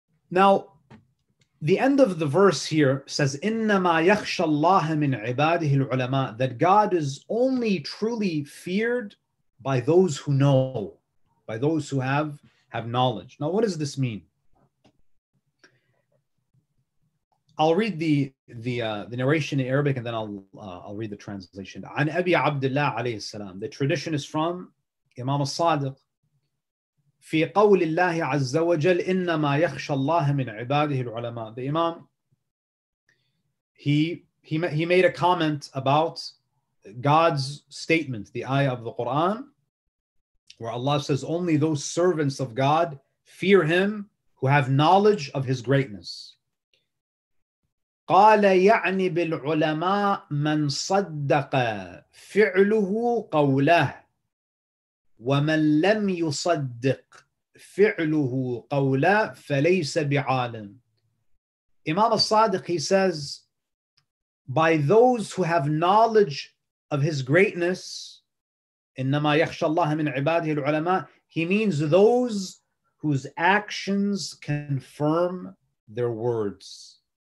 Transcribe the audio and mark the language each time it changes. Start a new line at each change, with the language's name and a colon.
English: Now, the end of the verse here says,
Arabic: إِنَّمَا يَخْشَ اللَّهَ مِنْ عِبَادِهِ الْعُلَمَاءِ,
English: that God is only truly feared by those who know, by those who have knowledge. Now, what does this mean? I'll read the narration in Arabic, and then I'll read the translation.
Arabic: عَنْ أَبِي عَبْدِ اللَّهِ عَلَيْهِ السَّلَامِ.
English: The tradition is from Imam al-Sadiq.
Arabic: في قول الله عز وجل إنما يخشى الله من عباده العلماء.
English: The Imam, he made a comment about God's statement, the ayah of the Quran, where Allah says, only those servants of God fear Him who have knowledge of His greatness.
Arabic: قال يعني بالعلماء من صدق فعله قوله ومن لم يصدق فِعْلُهُ قَوْلًا فَلَيْسَ بِعَالِمٍ.
English: Imam al-Sadiq, he says, by those who have knowledge of his greatness,
Arabic: إِنَّمَا يَخْشَى اللَّهَ مِنْ عِبَادِهِ الْعُلَمَاءِ,
English: he means those whose actions confirm their words.